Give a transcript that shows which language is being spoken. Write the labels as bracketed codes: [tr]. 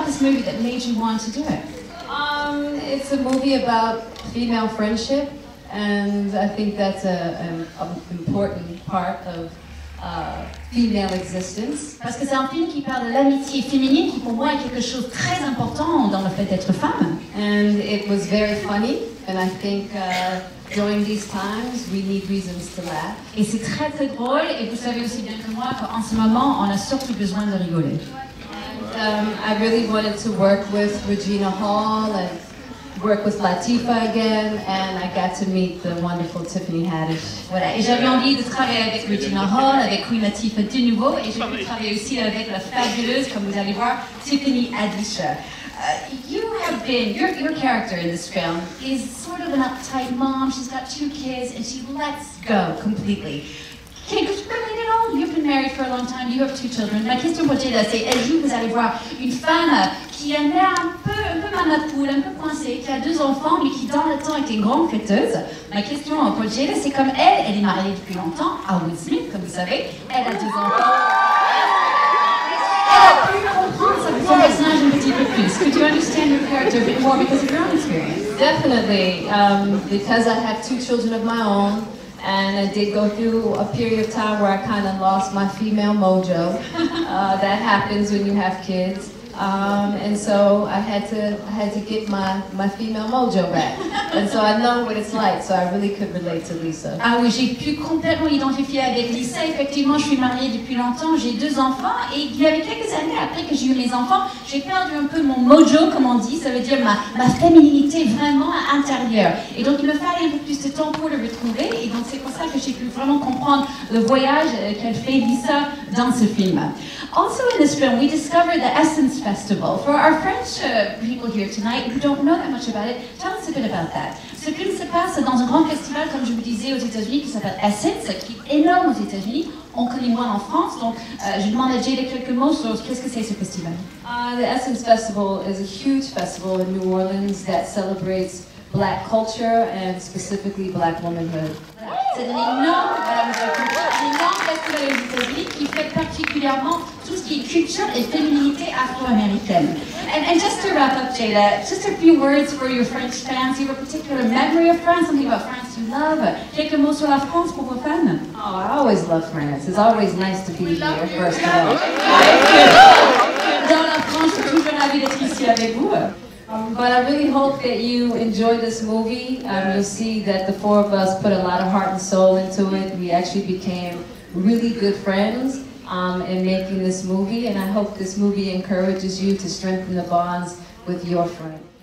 [en] It's a movie about female friendship, and I think that's an important part of female existence. [fr] Parce que c'est un film qui parle de l'amitié féminine, qui pour moi est quelque chose de très important dans le fait d'être femme. [en] And it was very funny, and I think during these times we need reasons to laugh. [fr] Et c'est très très drôle, et vous savez aussi bien que moi qu'en ce moment on a surtout besoin de rigoler. [en] I really wanted to work with Regina Hall and work with Latifah again, and I got to meet the wonderful Tiffany Haddish. [fr] Voilà, et j'avais envie de travailler avec Regina Hall, avec Queen Latifah de nouveau, et j'ai pu travailler aussi avec la fabuleuse, comme vous allez voir, Tiffany Haddish. [en] You have been, your character in this film is sort of an uptight mom. She's got two kids, and she lets go completely. Can you explain it all? You've been married for a long time, you have two children. [fr] Ma question pour Jada, c'est, est-ce que vous allez voir une femme qui a l'air un peu mal à poule, un peu coincée, qui a deux enfants, mais qui dans le temps est une grande fêteuse? Ma question pour Jada, c'est comme elle est mariée depuis longtemps, à Will Smith, comme vous savez, elle a deux enfants. Elle a pu comprendre son personnage un petit peu plus. [en] Could you understand your character a bit more because of your own experience? Definitely, because I have two children of my own, and I did go through a period of time where I kind of lost my female mojo. That happens when you have kids. And so I had to get my female mojo back. And so I know what it's like, so I really could relate to Lisa. [fr] Ah oui, j'ai pu complètement identifier avec Lisa. Effectivement, je suis mariée depuis longtemps, j'ai deux enfants, et il y avait quelques années après que j'ai eu mes enfants, j'ai perdu un peu mon mojo, comme on dit, ça veut dire ma féminité vraiment intérieure. Et donc il me fallait un peu plus de temps pour le retrouver, et donc c'est pour ça que j'ai pu vraiment comprendre le voyage qu'elle fait Lisa dans ce film. [en] Also in this film, we discovered the Essence Festival. For our French people here tonight who don't know that much about it, tell us a bit about that. [fr] Ce film se passe dans un grand festival, comme je vous disais, aux États-Unis, qui s'appelle Essence, qui est énorme aux États-Unis. On connaît moins en France, donc je demande à Jada quelques mots sur qu'est-ce que c'est ce festival. [en] The Essence Festival is a huge festival in New Orleans that celebrates black culture and specifically black womanhood. [fr] C'est un énorme festival aux États-Unis qui fait particulièrement tout ce qui est culture et féminité afro-américaine. [en] And just to wrap up, Jada, just a few words for your French fans. You have a particular memory of France, something about France you love. [fr] Quelques mots sur la France pour vos fans. [en] Oh, I always love France. It's always nice to be we here, love first you. Of all. [fr] Dans la France, je suis toujours ravie d'être ici avec vous. [en] But I really hope that you enjoy this movie. You'll see that the four of us put a lot of heart and soul into it. We actually became really good friends in making this movie. And I hope this movie encourages you to strengthen the bonds with your friend.